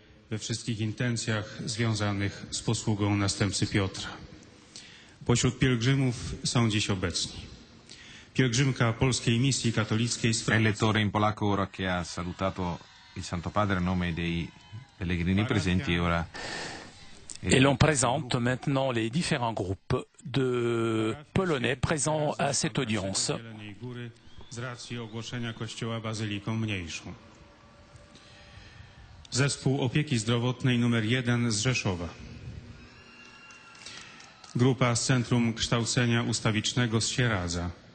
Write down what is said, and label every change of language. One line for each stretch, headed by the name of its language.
Polish: We wszystkich intencjach związanych z posługą następcy Piotra. Pośród pielgrzymów są dziś obecni. Pielgrzymka polskiej misji katolickiej z Francji.
Italian: Lettore in polacco ora che ha salutato il Santo Padre a nome dei pellegrini presenti ora.
French: Et l'on présente maintenant les différents groupes de polonais présents à cette audience.
Polish: Z racji ogłoszenia kościoła bazyliką mniejszą. Zespół opieki zdrowotnej numer 1 z Rzeszowa. Grupa z Centrum Kształcenia Ustawicznego z Sieradza.